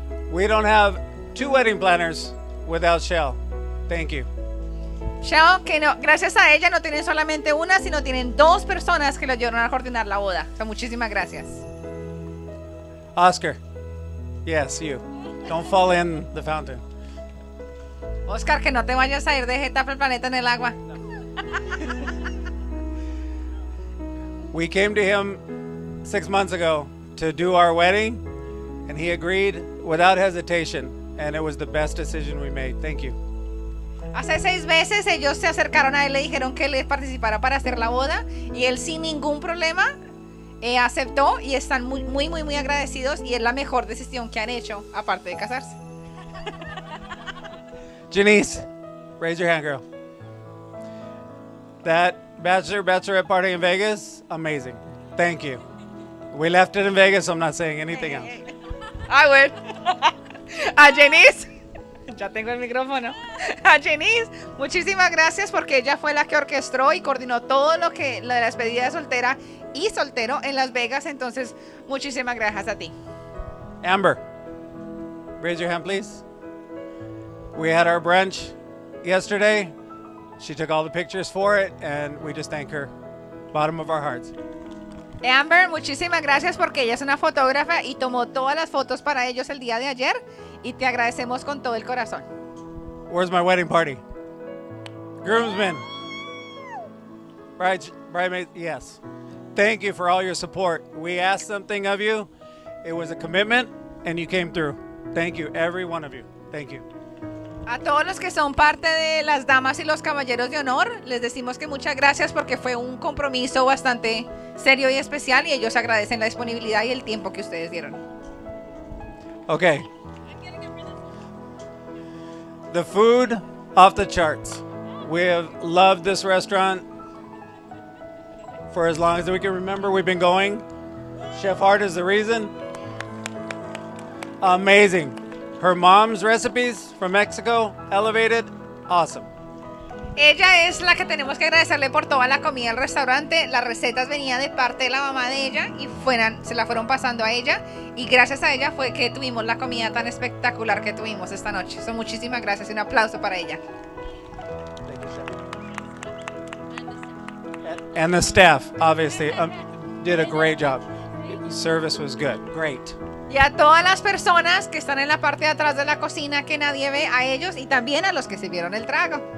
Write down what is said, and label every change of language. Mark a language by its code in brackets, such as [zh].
[en] We don't have two wedding planners without Shell. Thank you. [es] Shell, que no, gracias a ella no tienen solamente una, sino tienen dos personas que le ayudaron a coordinar la boda. So, muchísimas gracias. [en] Oscar. Yes, you. Don't fall in the fountain. [es] Oscar, que no te vayas a ir de Getafe el planeta en el agua. [en] We came to him 6 months ago to do our wedding, and he agreed without hesitation, and it was the best decision we made. Thank you. [es] Hace seis meses ellos se acercaron a él, le dijeron que él participara para hacer la boda, y él sin ningún problema aceptó, y están muy, muy, muy, muy agradecidos, y es la mejor decisión que han hecho, aparte de casarse. [en] Janice, raise your hand, girl. That bachelor, bachelorette party in Vegas, amazing. Thank you. We left it in Vegas, so I'm not saying anything else. I would. [es] A Janice. Ya tengo el micrófono. A Janice, muchísimas gracias porque ella fue la que orquestó y coordinó todo lo que la de la despedida de soltera y soltero en Las Vegas. Entonces, muchísimas gracias a ti. [en] Amber, raise your hand, please. We had our brunch yesterday. She took all the pictures for it, and we just thank her, bottom of our hearts. [es] Amber, muchísimas gracias porque ella es una fotógrafa y tomó todas las fotos para ellos el día de ayer. Y te agradecemos con todo el corazón. [en] Where's my wedding party? Groomsmen. Bridesmaids, yes. Thank you for all your support. We asked something of you. It was a commitment, and you came through. Thank you, every one of you. Thank you. [es] A todos los que son parte de las damas y los caballeros de honor, les decimos que muchas gracias porque fue un compromiso bastante serio y especial y ellos agradecen la disponibilidad y el tiempo que ustedes dieron. [en] Okay. The food off the charts. We have loved this restaurant for as long as we can remember. We've been going. Chef Hart is the reason. Amazing. Her mom's recipes from Mexico, elevated, awesome. [es] Ella es la que tenemos que agradecerle por toda la comida del restaurante. Las recetas venían de parte de la mamá de ella y fueran, se la fueron pasando a ella. Y gracias a ella fue que tuvimos la comida tan espectacular que tuvimos esta noche. So, muchísimas gracias y un aplauso para ella. [en] And the staff, obviously, did a great job. Service was good. Great. [es] Y a todas las personas que están en la parte de atrás de la cocina que nadie ve, a ellos y también a los que sirvieron el trago.